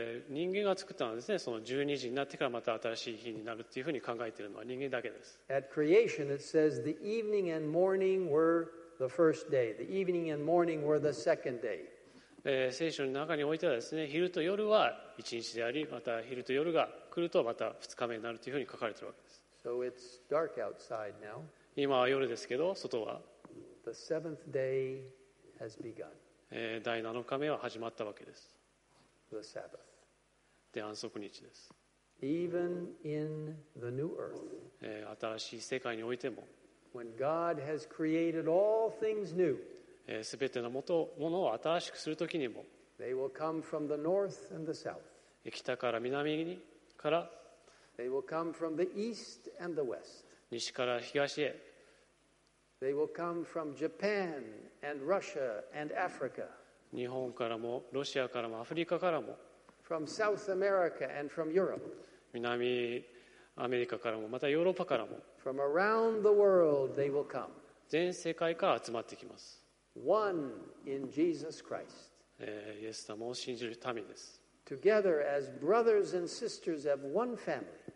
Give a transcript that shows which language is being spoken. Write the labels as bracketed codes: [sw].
[ja] 人間が作ったのはですね、その12時になってからまた新しい日になるっていうふうに考えているのは人間だけです。 [en] At creation, it says the evening and morning were the first day. The evening and morning were the second day. [ja] 聖書の中においてはですね、昼と夜は一日であり、また昼と夜が来るとまた二日目になるというふうに書かれているわけです。 [en] So、it's dark outside now. [ja] 今は夜ですけど、外は [en] The seventh day has begun. [ja] 第七日目は始まったわけです。 [en] The Sabbath. [ja] で、安息日です。 [en] Even in the new earth, [ja] 新しい世界においても、 [en] When God has created all things new, [ja] すべてのものを新しくするときにも [en] They will come from the north and the south. [ja] 北から南にから [en] They will come from the east and the west. [ja] 西から東へ [en] They will come from Japan and Russia and Africa. [ja] 日本からもロシアからもアフリカからも [en] from South America and from Europe. [ja] 南アメリカからもまたヨーロッパからも [en] from around the world they will come. [ja] 全世界から集まってきます [en] One in Jesus Christ. [ja] イエス様を信じる民です。 [en] Together as brothers and sisters of one family.